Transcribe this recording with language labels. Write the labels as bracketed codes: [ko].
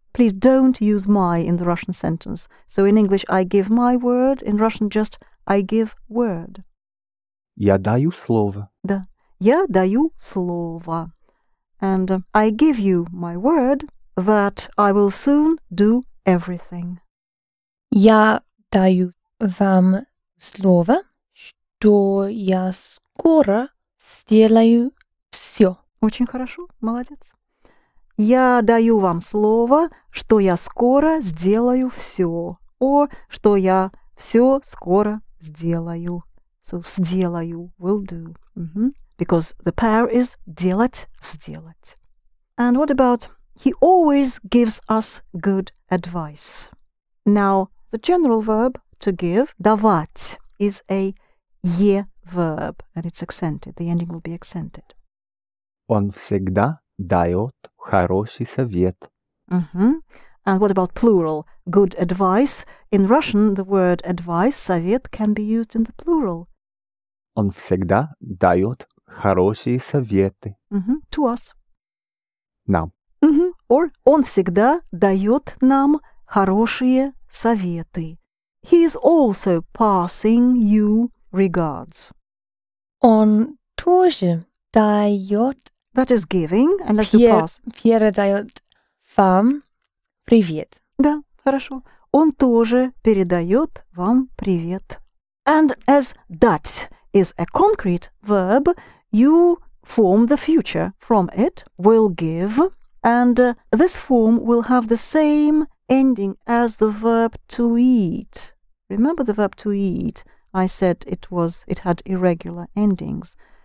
[en] Please don't use my in the Russian sentence. So in English, I give my word. In Russian, just I give word. [ru] Я даю слово. Да. Я даю слово. [en] And I give you my word that I will soon do everything. [ru] Я даю вам слово, что я скоро сделаю всё. Очень хорошо. Молодец. Я даю вам слово, что я скоро сделаю всё. Or, что я всё скоро сделаю. [en] So, сделаю, will do. Mm-hmm. Because the pair is делать, сделать. And what about, he always gives us good advice. Now, the general verb to give, давать, is a е verb, and it's accented. The ending will be accented. [ru] Он всегда дает хороший совет. [en] Mm-hmm. And what about plural? Good advice. In Russian, the word advice, совет, can be used in the plural. [ru] Он всегда дает хорошие советы. [en] Mm-hmm. To us. [ru] Нам. Mm-hmm. Or он всегда дает нам хорошие советы. [en] He is also passing you regards. [ru] Он тоже дает. [en] That is giving, and let's do pass. [ru] Передает вам привет. Да, хорошо. Он тоже передает вам привет. [en] And as дать is a concrete verb, you form the future from it, will give, and this form will have the same ending as the verb to eat. Remember the verb to eat? I said it had irregular endings.